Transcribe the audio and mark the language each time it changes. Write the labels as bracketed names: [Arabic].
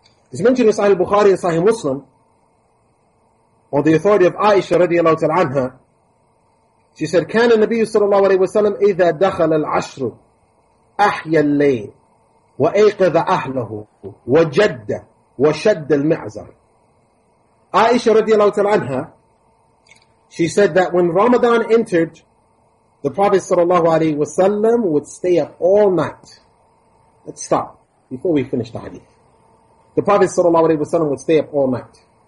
[English] It's mentioned in Sahih Bukhari and Sahih Muslim, on the authority of Aisha radiallahu ta'ala anha, she said, [Arabic] كان النبي صلى الله عليه وسلم إذا دخل العشر أحيى الليل وأيقظ أهله وجد وشد المعزر. [English] Aisha رضي الله تعالى عنها, she said that when Ramadan entered, the Prophet sallallahu alaihi wasallam would stay up all night. Let's stop before we finish the hadith. The Prophet sallallahu alaihi wasallam would stay up all night.